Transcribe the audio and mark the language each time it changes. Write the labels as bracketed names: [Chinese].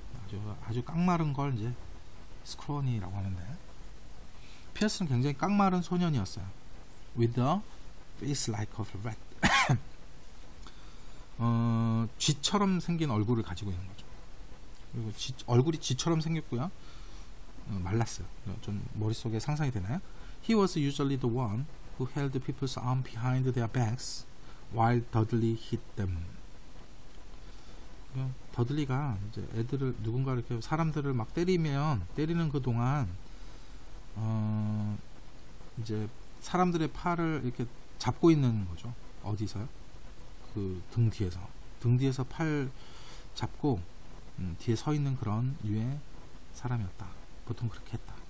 [Korean] 아주 아주 깡마른 걸 이제 scrawny라고 하는데, 피어스는 굉장히 깡마른 소년이었어요. [English] With a face like a rat. [Korean] 쥐처럼 생긴 얼굴을 가지고 있는 거죠. 그리고 얼굴이 쥐처럼 생겼고요. 말랐어요. 좀 머릿속에 상상이 되나요? [English] He was usually the one who held people's arm behind their backs while Dudley hit them. [Korean] 더들리가 이제 애들을 누군가 이렇게 사람들을 막 때리면 때리는 그 동안 이제 사람들의 팔을 이렇게 잡고 있는 거죠. 어디서요? 그 등 뒤에서. 등 뒤에서 팔 잡고 뒤에 서 있는 그런 유의 사람이었다. 보통 그렇게 했다.